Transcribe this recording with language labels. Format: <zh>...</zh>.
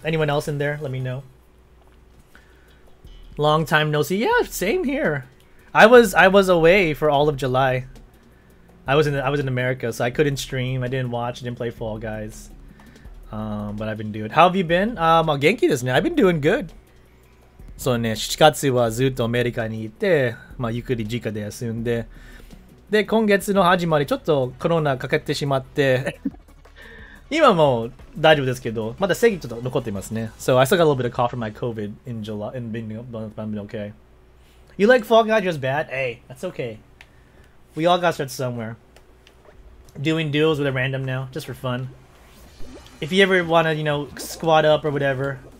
<en>Anyone else in there? Let me know. Long time no see. Yeah, same here. I was away for all of July. I was in America, so I couldn't stream. I didn't watch. I didn't play Fall Guys. But I've been doing it. How have you been? I'm</en> <ja>genki desu ne.</ja> <en>I've been doing good.</en> <ja>So ne, 7月はずっとアメリカにいて、まあゆっくり実家で休んで、で今月の始まりちょっとコロナかかってしまって、今もう大丈夫ですけど、まだ咳ちょっと残ってますね。</ja> <en>So I still got a little bit of cough from my COVID in July, and been okay. You like Fall Guys just bad? Hey, that's okay. We all got to start somewhere. Doing duels with a random now, just for fun. If you ever want to, you know, squad up or whatever.</en>